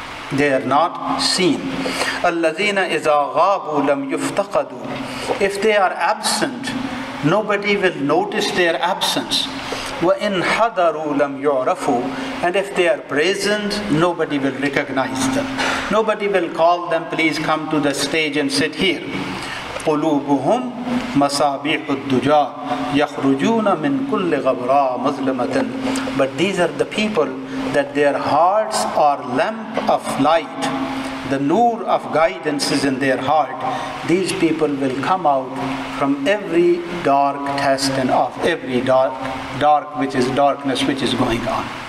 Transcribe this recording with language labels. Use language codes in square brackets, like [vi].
[en] They are not seen. [ar] الَّذِينَ إِذَا غَابُوا لَمْ يُفْتَقَدُوا. [en] If they are absent, nobody will notice their absence. [ar] وَإِنْ حَضَرُوا لَمْ يُعْرَفُوا. [en] And if they are present, nobody will recognize them. Nobody will call them, please come to the stage and sit here. [ar] قلوبهم مصابيح الدجا يخرجون من كل غبراء مظلمة. [en] But these are the people that their hearts are lamp of light, the noor of guidance is in their heart. These people will come out from every dark test and of every dark which is darkness which is going on.